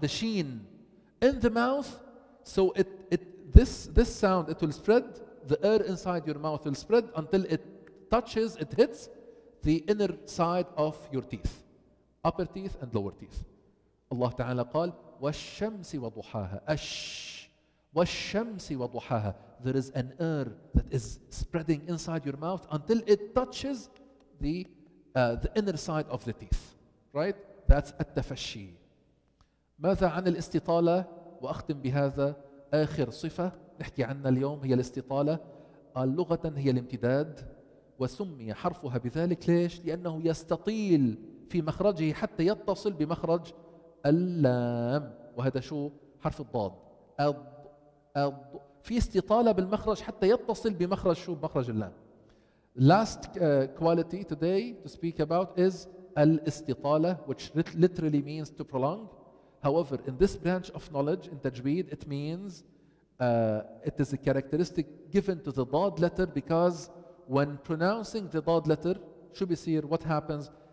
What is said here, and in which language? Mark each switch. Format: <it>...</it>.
<en>The sheen in the mouth. So this sound, it will spread. The air inside your mouth will spread until it hits the inner side of your teeth, upper teeth and lower teeth.</en> <ar>Allah Ta'ala قال والشمس وضحاها. أش، والشمس وضحاها.</ar> <en>There is an air that is spreading inside your mouth until it touches the inner side of the teeth. Right? That's التفشي.</en> <ar>ماذا عن الاستطالة؟ وأختم بهذا. آخر صفة نحكي عنها اليوم هي الاستطالة. اللغة هي الامتداد، وسمي حرفها بذلك. ليش؟ لأنه يستطيل في مخرجه حتى يتصل بمخرج اللام، وهذا شو؟ حرف الضاد. أض. في استطالة بالمخرج حتى يتصل بمخرج شو؟ بمخرج اللام.</ar> <en>Last quality today to speak about is الاستطالة، which literally means to prolong. However, in this branch of knowledge, in تجويد, it means it is a characteristic given to the dad letter, because when pronouncing the dad letter, should be seen what happens.</en>